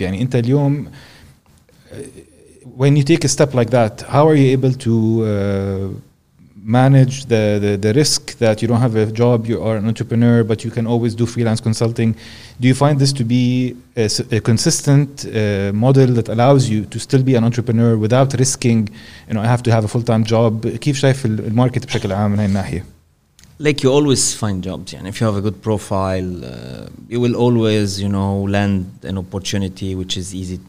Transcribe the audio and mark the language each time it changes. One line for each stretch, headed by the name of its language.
Arabic: يعني انت اليوم
English: when you take a step like that, how are you able to manage the risk that you don't have a job, you are an entrepreneur, but you can always do freelance consulting? Do you find this to be a consistent model that allows you to still be an entrepreneur without risking, you know, I have to have a full-time job?
Arabic: كيف شايف الماركت بشكل عام من هاي الناحية؟
English: Like, you always find jobs, and if you have a good profile, you will always, you know, land an opportunity, which is easy.